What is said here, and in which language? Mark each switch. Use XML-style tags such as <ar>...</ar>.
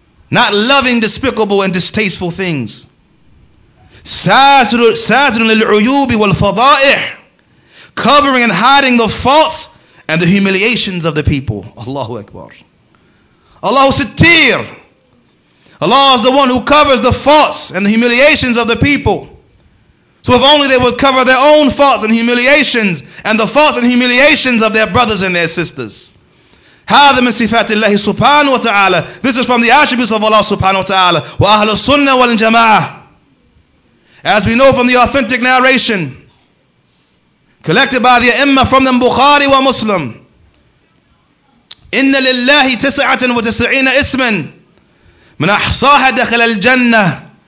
<en>Not loving despicable and distasteful things.</en> <ar>Sazr al-uyubi wal-fada'ih,</ar> <en>covering and hiding the faults and the humiliations of the people. Allahu Akbar. Allahu Sittir. Allah is the one who covers the faults and the humiliations of the people. So if only they would cover their own faults and humiliations and the faults and humiliations of their brothers and their sisters.</en> <ar>هذا من صفات الله سبحانه وتعالى.</ar> <en>This is from the attributes of Allah سبحانه وتعالى.</en> <ar>وأهل السنة والجماعة.</ar> <en>As we know from the authentic narration collected by the Imam from the Bukhari wa Muslim.</en> <ar>إِنَّ لِلَّهِ تِسْعَةً وَتِسْعِينَ إِسْمًا مَنْ أَحْصَاهَ دَخِلَ الْجَنَّةِ.</ar>